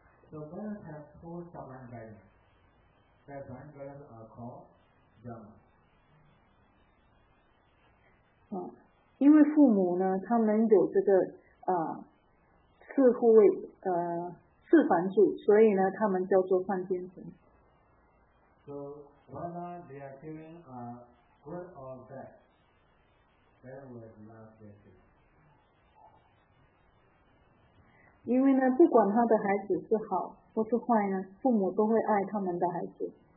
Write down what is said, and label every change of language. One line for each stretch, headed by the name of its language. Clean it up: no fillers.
English: So parents have four sublime guardians. Their grandparents are called Brahma.
Chinese: 因为父母呢，他们有这个四护卫四梵主，所以呢，他们叫做梵天神。
English: So whether they are feeling good or bad, they would love their children.
Chinese: 因为呢，不管他的孩子是好或是坏呢，父母都会爱他们的孩子。